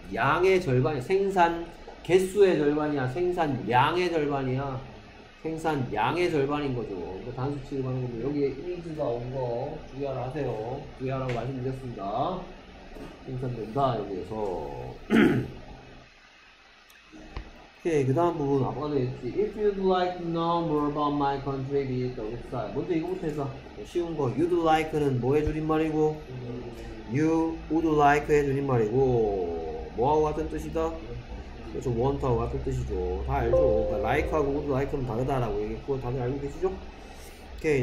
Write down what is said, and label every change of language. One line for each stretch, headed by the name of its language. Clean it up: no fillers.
Korean: 양의 절반이 생산 개수의 절반이야. 생산 양의 절반이야. 생산 양의 절반인 거죠. 그 단수치로 가는 거고 여기에 is가 온 거 주의하라 하세요. 주의하라고 말씀드렸습니다. 생산된다 여기에서. 오케이. 그 다음 부분 아까도 했지.
English: If you'd like to know more about my country, visit the website.
Korean: 먼저 이거부터 해서 쉬운 거.
English: You'd like
Korean: 는 뭐의 줄임말이고
English: You would like
Korean: 의 줄임말이고 뭐하고 같은 뜻이다? 그렇죠. want하고 같은 뜻이죠. 다 알죠. 그러니까 like하고 would like는 다르다라고 얘기했고 다들 알고 계시죠? 오케이.